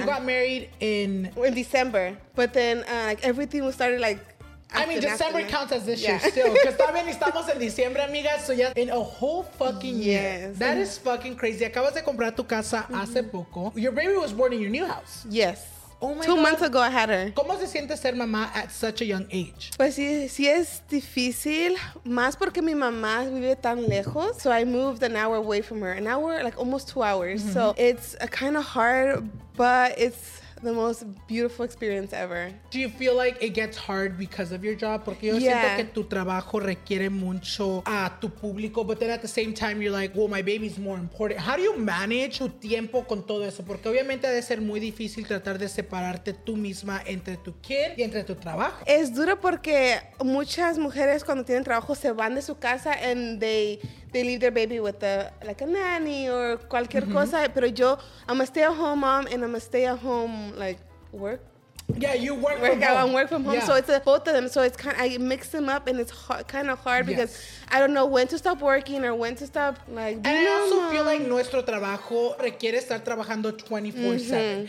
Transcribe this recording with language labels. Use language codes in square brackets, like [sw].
[en] You got married in... In December. But then, like, everything started, like, I mean, December counts as this year still. Because [es] también estamos en diciembre, amigas. [en] So, yeah, in a whole fucking year. Yes. That is fucking crazy. [es] Acabas de comprar tu casa hace poco. [en] Your baby was born in your new house. Yes. Oh my Two God. Months ago, I had her. [es] ¿Cómo se siente ser mamá [en] at such a young age? [es] Pues sí, sí es difícil, más porque mi mamá vive tan lejos. [en] So I moved an hour away from her. An hour, like almost 2 hours. Mm-hmm. So it's kind of hard, but it's... the most beautiful experience ever. Do you feel like it gets hard because of your job? [es] Porque yo [en] yeah. [es] siento que tu trabajo requiere mucho a tu público, [en] but then at the same time, you're like, well, my baby's more important. How do you manage [es] tu tiempo con todo eso? Porque obviamente ha de ser muy difícil tratar de separarte tú misma entre tu kid y entre tu trabajo. Es duro porque muchas mujeres cuando tienen trabajo se van de su casa [en] and they leave their baby with a nanny or [es] cualquier cosa. Pero yo, [en] I'm a stay-at-home mom and I'm a stay-at-home, like, work. Yeah, you work from home. I work from home. Yeah. So it's both of them. So it's kind of, I mix them up and it's kind of hard because yes. I don't know when to stop working or when to stop, like, being and a mom. I also feel like [es] nuestro trabajo requiere estar trabajando 24/7.